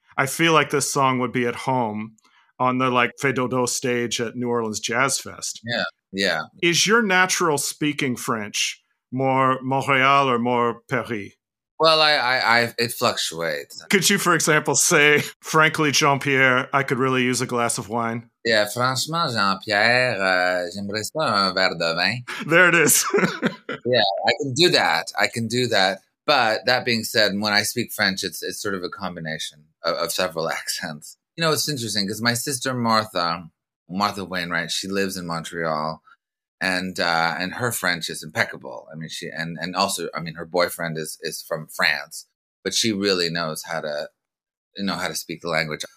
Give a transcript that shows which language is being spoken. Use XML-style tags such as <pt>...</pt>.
<en>I feel like this song would be at home on the, like, Fais Dodo stage at New Orleans Jazz Fest. Yeah. Is your natural speaking French more Montreal or more Paris? Well, I it fluctuates. Could you, for example, say, frankly, Jean-Pierre, I could really use a glass of wine?</en> <fr>Yeah, franchement, Jean-Pierre, j'aimerais ça un verre de vin.</fr> <en>There it is. I can do that. But that being said, when I speak French, it's sort of a combination of several accents. You know, it's interesting because my sister Martha Wainwright, she lives in Montreal, and her French is impeccable. I mean, she and also, I mean, her boyfriend is from France, but she really knows how to speak the language.</en>